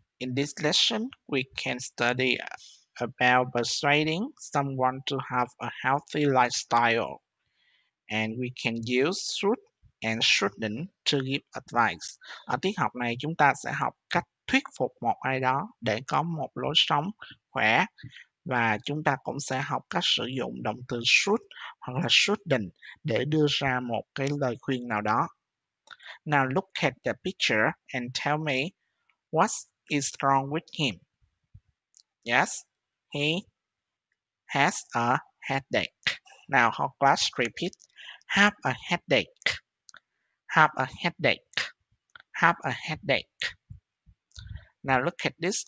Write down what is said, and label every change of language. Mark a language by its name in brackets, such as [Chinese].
[English] In this lesson, we can study about persuading someone to have a healthy lifestyle. And we can use should and shouldn't to give advice. [Vietnamese] Ở tiết học này chúng ta sẽ học cách thuyết phục một ai đó để có một lối sống khỏe, và chúng ta cũng sẽ học cách sử dụng động từ should hoặc là shouldn't để đưa ra một cái lời khuyên nào đó. [English] Now look at the picture and tell me what is wrong with him. Yes, he has a headache. Now whole class repeat. Have a headache. Have a headache. Have a headache. Now look at this.